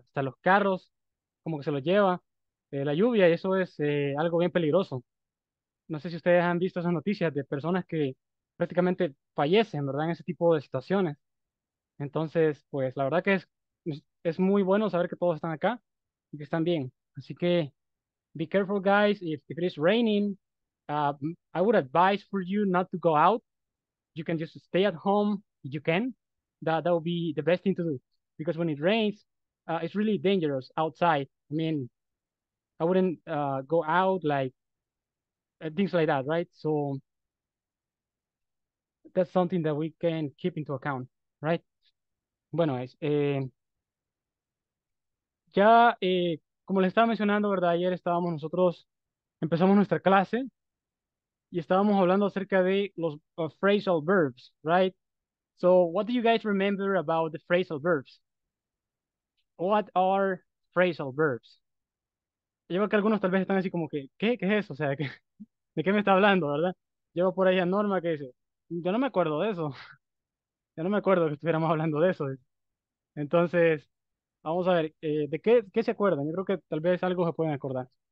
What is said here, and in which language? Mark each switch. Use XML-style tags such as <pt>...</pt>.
<es>Hasta los carros, como que se los lleva la lluvia, y eso es algo bien peligroso. No sé si ustedes han visto esas noticias de personas que prácticamente fallecen, ¿verdad? En ese tipo de situaciones. Entonces, pues la verdad que es muy bueno saber que todos están acá y que están bien. Así que,</es> <en>be careful, guys, if it is raining. I would advise for you not to go out. You can just stay at home. You can. That would be the best thing to do. Because when it rains, It's really dangerous outside. I mean, I wouldn't go out, like things like that, right? So that's something that we can keep into account, right?</en> <es>Bueno, es, ya como les estaba mencionando, ¿verdad? Ayer estábamos nosotros, empezamos nuestra clase y estábamos hablando acerca de los phrasal verbs, right?</es> <en>So what do you guys remember about the phrasal verbs? What are phrasal verbs?</en> <es>Yo veo que algunos tal vez están así como que, ¿qué? ¿Qué es eso? O sea, ¿qué, de qué me está hablando, verdad? Llevo por ahí a Norma que dice, yo no me acuerdo de eso. Yo no me acuerdo que estuviéramos hablando de eso. Entonces, vamos a ver, ¿de qué se acuerdan? Yo creo que tal vez algo se pueden acordar.</es>